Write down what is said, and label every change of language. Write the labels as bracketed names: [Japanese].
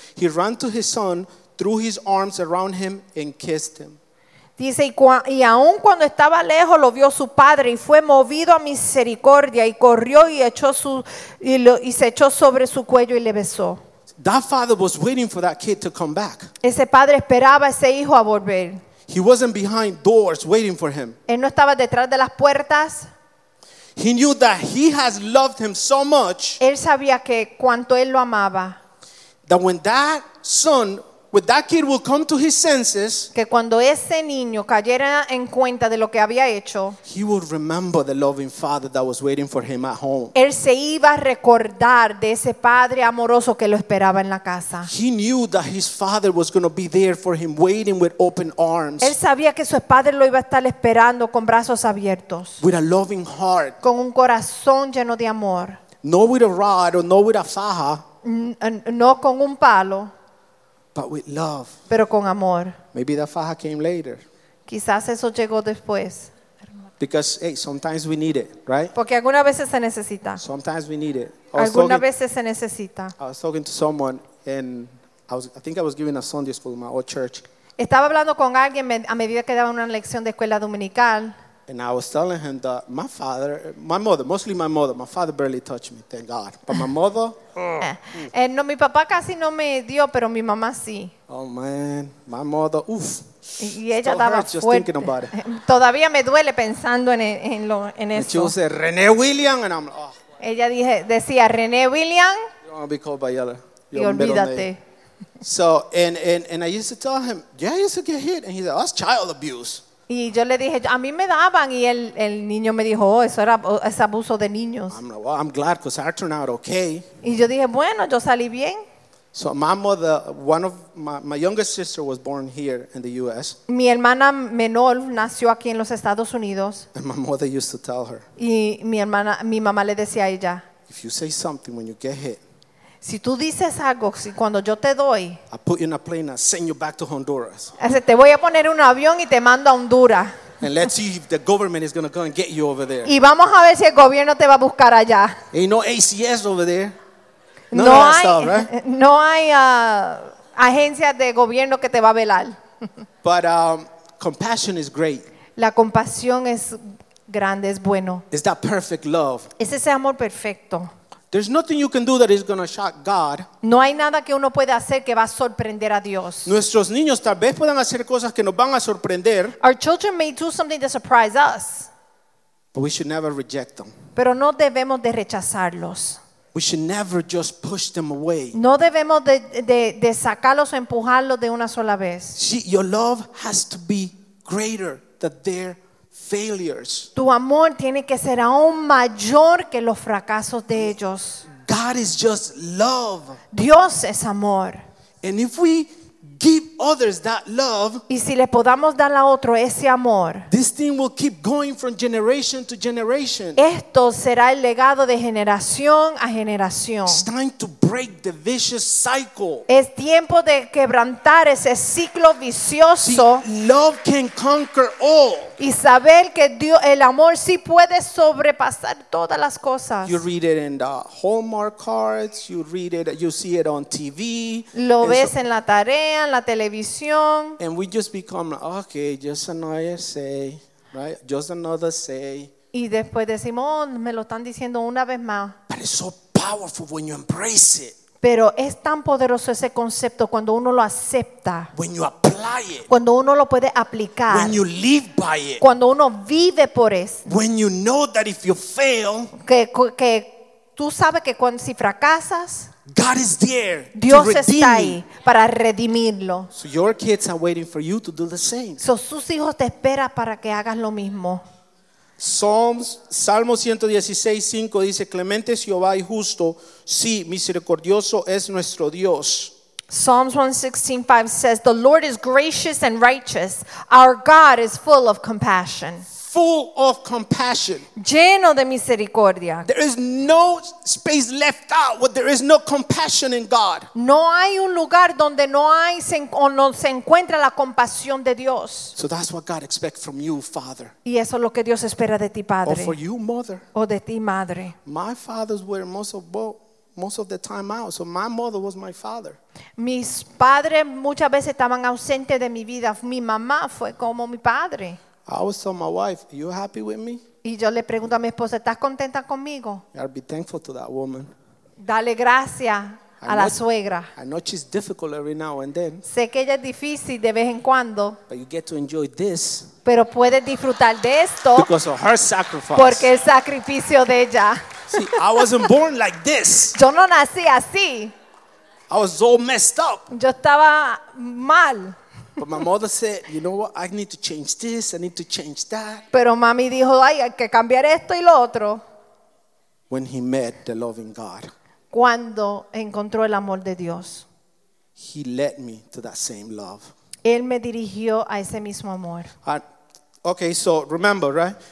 [English] He ran to his son, threw his arms around him, and kissed him. [Spanish] Dice, y aun cuando estaba lejos, lo vio su padre y fue movido a misericordia y corrió y se echó sobre su cuello y le besó. [English] That father was waiting for that kid to come back. [Spanish] Ese padre esperaba a ese hijo a volver. [English] He wasn't behind doors waiting for him. [Spanish] Él no estaba detrás de las puertas. [English] He knew that he has loved him so much. [Spanish] Él sabía que cuanto él lo amaba. [English] That when that son, when that kid will come to his senses, [Spanish] que cuando ese niño cayera en cuenta de lo que había hecho, [English] he would remember the loving father that was waiting for him at home. [Spanish] Él se iba a recordar de ese padre amoroso que lo esperaba en la casa. [English] He knew that his father was going to be there for him, waiting with open arms. [Spanish] Él sabía que su padre lo iba a estar esperando con brazos abiertos. [English] With a loving heart. [Spanish] Con un corazón lleno de amor. [English] Not with a rod or not with a faja. [Spanish] No con un palo. [English] But with love. [Spanish] Pero con amor. [English] Maybe the faja came later. [Spanish] Quizás eso llegó después. [English] Because hey, sometimes we need it, right? [Spanish] Porque algunas veces se necesita. [English] Sometimes we need it. I was talking to someone and I think I was giving a Sunday school in my old church. [Spanish] Estaba hablando con alguien a medida que daba una lección de escuela dominical. [English] And I was telling him that my father, my mother, mostly my mother, my father barely touched me, thank God. But my mother, [Spanish] No, mi papá casi no me dio, pero mi mamá sí. [English] Oh man, my mother, oof. [Spanish] Y ella daba fuerte. [English] Just thinking about it. [Spanish] Todavía me duele pensando en eso. [English] She said, René William, and I'm like, oh. [Spanish] Ella decía, René William. [English] You don't want to be called by yellow. [Spanish] Y olvídate. [English] So, and I used to tell him, yeah, I used to get hit. And he said, that's child abuse. [Spanish] Y yo le dije, a mí me daban y el niño me dijo, oh, eso era ese abuso de niños. [English] I'm like, well, I'm glad because I turned out okay. [Spanish] Y yo dije, bueno, yo salí bien. [English] So my mother, one of my youngest sister was born here in the U.S. [Spanish] Mi hermana menor nació aquí en los Estados Unidos. [English] And my mother used to tell her. [Spanish] Y mi mamá le decía a ella. [English] If you say something when you get hit. [Spanish] Si tú dices algo, si cuando yo te doy, [English] I put you in a plane and send you back to Honduras. [Spanish] Te voy a poner un avión y te mando a Honduras. [English] And let's see if the government is going to come and get you over there. [Spanish] Y vamos a ver si el gobierno te va a buscar allá. [English] Ain't no ACS over there. [Spanish] No hay agencia de gobierno que te va a velar. [English] But compassion is great. [Spanish] La compasión es grande, es bueno. [English] It's that perfect love. [Spanish] Es ese amor perfecto. [English] There's nothing you can do that is going to shock God. [Spanish] No hay nada que uno pueda hacer que va a sorprender a Dios. Nuestros niños tal vez puedan hacer cosas que nos van a sorprender. [English] Our children may do something to surprise us. But we should never reject them. [Spanish] Pero no debemos de rechazarlos. [English] We should never just push them away. [Spanish] No debemos de sacarlos o empujarlos de una sola vez. [English] See, your love has to be greater than their failures. [Spanish] Tu amor tiene que ser aún mayor que los fracasos de ellos. [English] God is just love. [Spanish] Dios es amor. [English] And if we give others that love, [Spanish] y si le podamos dar a otro ese amor, [English] this thing will keep going from generation to generation. [Spanish] Esto será el legado de generación a generación. [English] It's time to break the vicious cycle. [Spanish] Es tiempo de quebrantar ese ciclo vicioso. [English] See, love can conquer all. [Spanish] Y saber que Dios, el amor sí puede sobrepasar todas las cosas. [English] You read it in the Hallmark cards, you read it, you see it on TV. [Spanish] Lo ves en la tarea, en la televisión. [English] And we just become, okay, just another say, right? Just another say. [Spanish] Y después decimos, oh, me lo están diciendo una vez más. [English] But it's so powerful when you embrace it. [Spanish] Pero es tan poderoso ese concepto cuando uno lo acepta. [English] When you apply it. [Spanish] Cuando uno lo puede aplicar. [English] When you live by it. [Spanish] Cuando uno vive por eso. [English] When you know that if you fail, [Spanish] que tú sabes que cuando, si fracasas, [English] God is there. [Spanish] Dios [English] to [Spanish] está ahí para redimirlo. [English] So your kids are waiting for you to do the same. So [Spanish] sus hijos te esperan para que hagas lo mismo. Salmo 116:5 dice: Clemente es Jehová y justo, sí, misericordioso es nuestro Dios. [English] Psalms 116:5 says: The Lord is gracious and righteous; our God is full of compassion. Full of compassion. [Spanish] Lleno de misericordia. [English] There is no space left out where there is no compassion in God. [Spanish] No hay un lugar donde no hay o no se encuentra la compasión de Dios. [English] So that's what God expects from you, Father. [Spanish] Y eso es lo que Dios espera de ti, Padre. [English] Or for you, Mother. [Spanish] O de ti, Madre. [English] My fathers were most of the time out, so my mother was my father. [Spanish] Mis padres muchas veces estaban ausentes de mi vida. Mi mamá fue como mi padre. [English] I always tell my wife, "Are you happy with me?" [Spanish] Y yo le pregunto a mi esposa, ¿estás contenta conmigo? [English] I'll be thankful to that woman. [Spanish] Dale gracias a la suegra. [English] I know she's difficult every now and then. [Spanish] Sé que ella es difícil de vez en cuando. [English] But you get to enjoy this. [Spanish] Pero puedes disfrutar de esto. [English] Because of her sacrifice. [Spanish] Porque el sacrificio de ella. [English] See, I wasn't born like this. [Spanish] Yo no nací así. [English] I was all messed up. [Spanish] Yo estaba mal. [English] But my mother said, "You know what? I need to change this. I need to change that." [Spanish] Pero mami dijo, "Ay, hay que cambiar esto y lo otro." [English] When he met the loving God. [Spanish] Cuando encontró el amor de Dios. [English] He led me to that same love. [Spanish] Él me dirigió a ese mismo amor. [English] Okay, so remember, right?